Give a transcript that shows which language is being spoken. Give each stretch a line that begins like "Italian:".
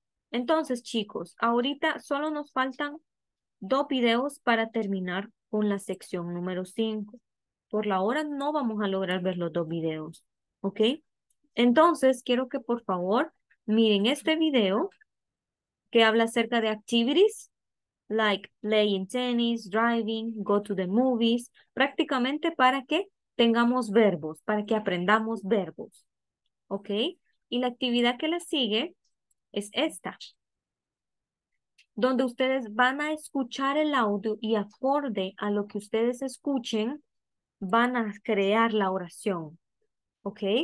Spanish: Entonces, chicos, ahorita solo nos faltan 2 videos para terminar con la sección número 5. Por la hora no vamos a lograr ver los 2 videos. ¿Ok? Entonces, quiero que por favor miren este video que habla acerca de activities.
English: Like playing tennis, driving, go to the movies.
Spanish: Prácticamente para que tengamos verbos, para que aprendamos verbos. ¿Ok? Y la actividad que les sigue es esta. Donde ustedes van a escuchar el audio y acorde a lo que ustedes escuchen, van a crear la oración. ¿Ok?